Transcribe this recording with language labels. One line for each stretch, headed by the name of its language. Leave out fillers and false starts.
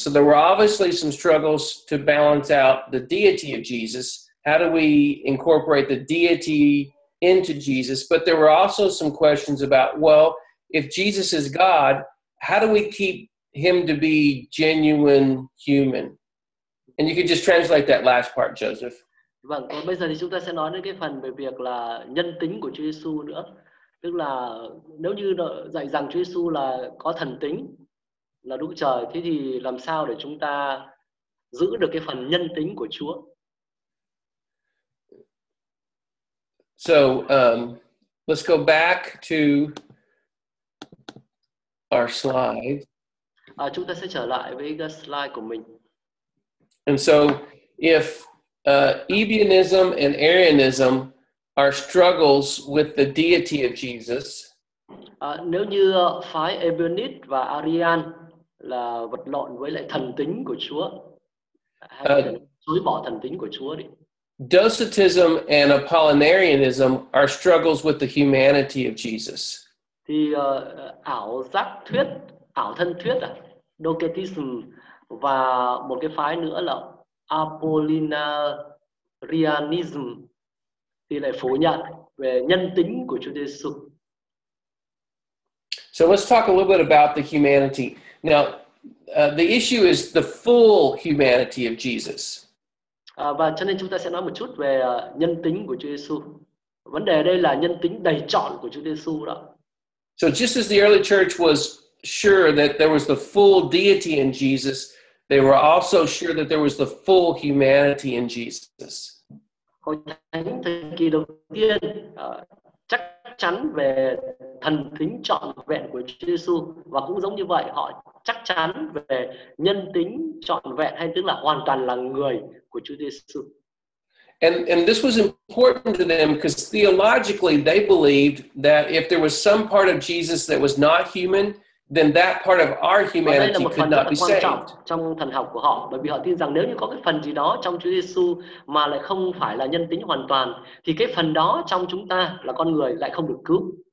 English: So there were obviously some struggles to balance out the deity of Jesus. How do we incorporate the deity into Jesus? But there were also some questions about, well, if Jesus is God, how do we keep him to be genuine human? And you could just translate that last part, Joseph.
Vietnamese: Vâng, còn bây giờ thì chúng ta sẽ nói đến cái phần về việc là nhân tính của Chúa Giêsu nữa. Tức là nếu như dạy rằng Chúa Giêsu là có thần tính, là Đức Trời, thế thì làm sao để chúng ta giữ được cái phần nhân tính của Chúa?
English: So, let's go back to our slide.
Vietnamese: Chúng ta sẽ trở lại với cái slide của mình.
English: And so, if Ebionism and Arianism are struggles with the deity of Jesus.
Vietnamese: Nếu như phái Ebionist và Arian là vật lộn với lại thần tính của Chúa, chối bỏ thần tính của Chúa đi.
English: Docetism and Apollinarianism are struggles with the humanity of Jesus.
Vietnamese: Thì ảo giác thuyết, ảo thân thuyết à, Docetism và một cái phái nữa là Apollinarianism thì lại phủ nhận về nhân tính của Chúa Giêsu.
English: So let's talk a little bit about the humanity. Now, the issue is the full humanity of Jesus.
Vietnamese: Và cho nên chúng ta sẽ nói một chút về nhân tính của Chúa Giêsu. Vấn đề đây là nhân tính đầy trọn của Chúa Giêsu đó.
English: So just as the early church was sure that there was the full deity in Jesus, they were also sure that there was the full humanity in Jesus.
Vietnamese: Hội thánh thời kỳ đầu tiên chắc chắn về thần tính trọn vẹn của Chúa Giêsu, và cũng giống như vậy, họ chắc chắn về nhân tính trọn vẹn, hay tức là hoàn toàn là người của Chúa Giêsu.
English: And this was important to them because theologically they believed that if there was some part of Jesus that was not human, then that part of our humanity could not be saved.
Vietnamese: Trong thần học của họ, bởi vì họ tin rằng nếu như có cái phần gì đó trong Chúa Giêsu mà lại không phải là nhân tính hoàn toàn, thì cái phần đó trong chúng ta là con người lại không được cứu.